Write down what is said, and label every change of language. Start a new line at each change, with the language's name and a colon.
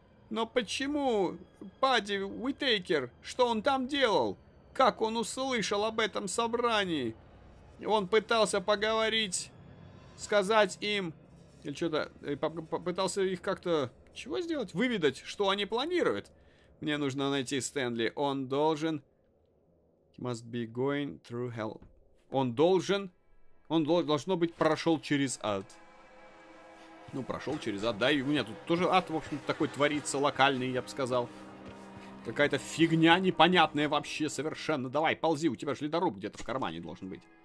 Russian: Но почему Падди Уитейкер? Что он там делал? Как он услышал об этом собрании? Он пытался поговорить, сказать им... Или что-то... Попытался их как-то... Чего сделать? Выведать, что они планируют. Мне нужно найти Стэнли. Он должен...
English: He must be going through hell.
Russian: Он должен... Он должно быть прошел через ад. Ну, прошел через ад, да. И у меня тут тоже ад, в общем, такой творится, локальный, я бы сказал. Какая-то фигня непонятная вообще совершенно. Давай, ползи, у тебя же ледоруб где-то в кармане должен быть.